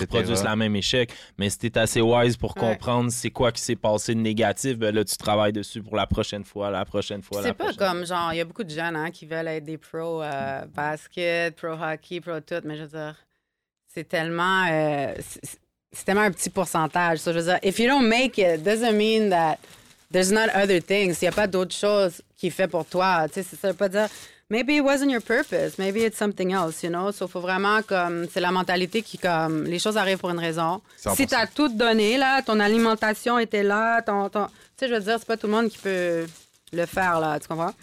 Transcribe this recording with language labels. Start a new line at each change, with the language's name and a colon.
French: reproduisent le même échec. Mais si t'es assez wise pour comprendre c'est quoi qui s'est passé de négatif, ben là, tu travailles dessus pour la prochaine fois. C'est pas comme, genre, il y a beaucoup de jeunes qui veulent être des pros basket, pro hockey, pro tout, mais je veux dire... C'est tellement un petit pourcentage. So, je veux dire,
English: if you don't make it, doesn't mean that there's not other things.
French: Il n'y a pas d'autres choses qui fait pour toi. Tu sais, ça veut pas dire,
English: maybe it wasn't your purpose. Maybe it's something else, you know?
French: So, faut vraiment, comme, c'est la mentalité qui, comme, les choses arrivent pour une raison. 100%. Si t'as tout donné, là, ton alimentation était là, ton... Tu sais, je veux dire, c'est pas tout le monde qui peut le faire, là. Tu comprends?